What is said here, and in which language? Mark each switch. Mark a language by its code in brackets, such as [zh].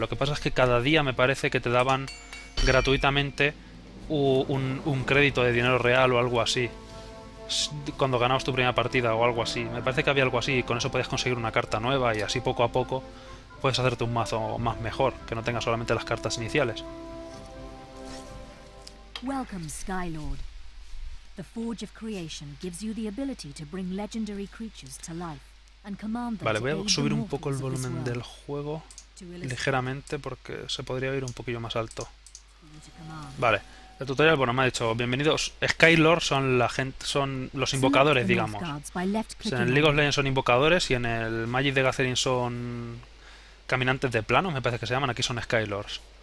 [es] Lo que pasa es que cada día me parece que te daban gratuitamente un crédito de dinero real o algo así. Cuando ganabas tu primera partida o algo así. Me parece que había algo así y con eso podías conseguir una carta nueva y así poco a poco puedes hacerte un mazo más mejor, que no tengas solamente las cartas iniciales. [en] Welcome, Sky Lord. The Forge of Creation gives you the ability to bring legendary creatures to life and command them. [es] Vale, voy a subir un poco el volumen del juego ligeramente porque se podría oír un poquillo más alto. Vale, el tutorial, bueno, me ha dicho bienvenidos. Skylord son la gente, son los invocadores, digamos. En el League of Legends son invocadores y en el Magic the Gathering son caminantes de plano, me parece que se llaman. Aquí son Skylords.